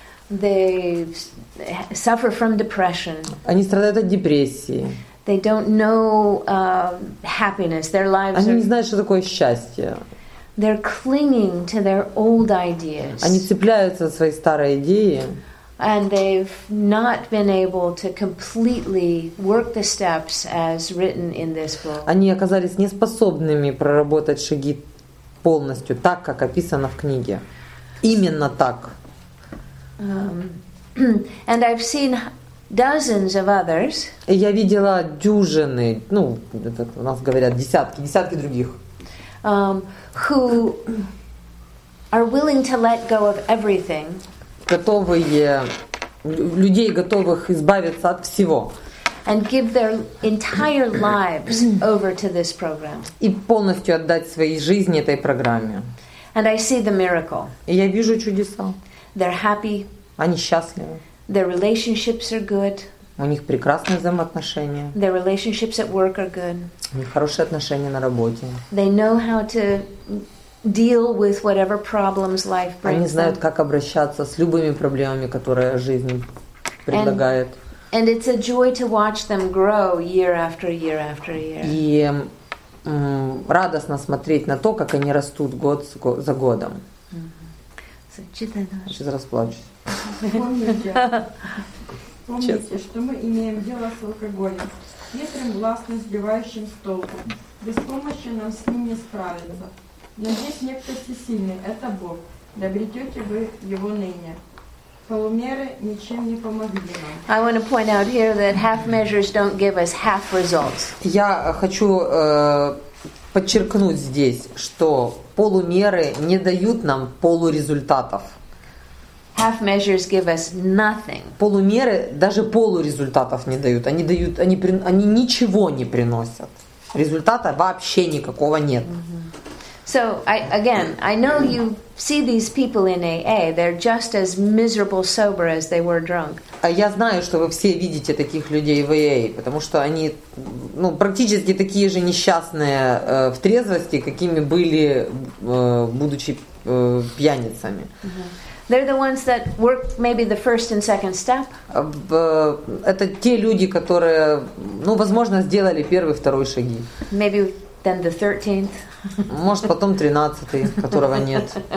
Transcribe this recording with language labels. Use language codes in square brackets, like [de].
[en] They suffer from depression. [ru] Они страдают от депрессии. [en] They don't know happiness. Their lives [ru] они не знают, что такое счастье. [en] They're clinging to their old ideas. [ru] Они цепляются за свои старые идеи. [en] And they've not been able to completely work the steps as written in this book. [ru] Они оказались неспособными проработать шаги полностью так, как описано в книге. Именно так. [en] And I've seen dozens of others. [ru] И я видела дюжины, ну, это у нас говорят десятки, десятки других. [en] Who are willing to let go of everything? [ru] Готовые людей, готовых избавиться от всего. [en] And give their entire lives over to this program. [ru] И полностью отдать свои жизни этой программе. [en] And I see the miracle. [ru] И я вижу чудеса. [en] They're happy. [ru] Они счастливы. [en] Their relationships are good. [ru] У них прекрасные взаимоотношения. [en] Their relationships at work are good. [ru] У них хорошие отношения на работе. [en] They know how to deal with whatever problems life brings. [ru] Они знают, как обращаться с любыми проблемами, которые жизнь предлагает. [en] And it's a joy to watch them grow year after year after year. [ru] И радостно смотреть на то, как они растут год за годом. Сейчас расплачусь. Помните, что мы имеем дело с алкоголем, ветром властно сбивающим с толку. Без помощи нам с ним не справиться. Но здесь некто всесильный, это Бог. Добретете вы его ныне. Полумеры ничем не помогли нам. [en] I want to point out here that half measures don't give us half results. [ru] Я хочу подчеркнуть здесь, что полумеры не дают нам полурезультатов. [en] Half measures give us nothing. [ru] Полумеры даже полурезультатов не дают. Они дают, они ничего не приносят. Результата вообще никакого нет. [en] So again, I know you see these people in AA. They're just as miserable sober as they were drunk. [ru] А я знаю, что вы все видите таких людей в AA, потому что они, ну, практически такие же несчастные в трезвости, какими были будучи пьяницами. [en] They're the ones that work maybe the first and second step. [ru] Это те люди, которые, ну, возможно, сделали первый, второй шаги. [en] Maybe then the 13th. [ru] Может, потом 13-й, которого нет.